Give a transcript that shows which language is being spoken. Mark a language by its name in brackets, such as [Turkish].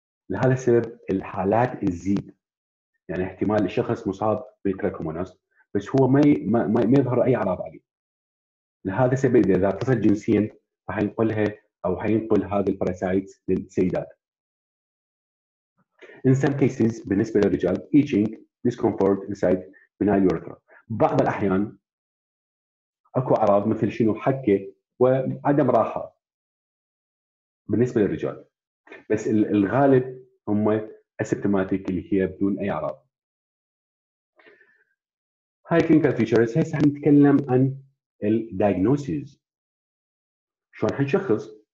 [Arabic] لهذا السبب الحالات تزيد، يعني احتمال الشخص مصاب بتراكوموناس بس هو ما يظهر اي اعراض عليه. لهذا السبب اذا اتصل جنسيا فحينقلها او حينقل هذا الباراسايت للسيدات. [English] In some cases بالنسبه للرجال itching discomfort inside penile urethra. [Arabic] بعض الاحيان اكو اعراض مثل شنو؟ حكه وعدم راحه بالنسبه للرجال. بس الغالب هم اسيبتوماتيك اللي هي بدون اي اعراض. هاي كلينيكال فيتشرز. هسه حنتكلم عن الدياجنوسيز، شلون حنشخص.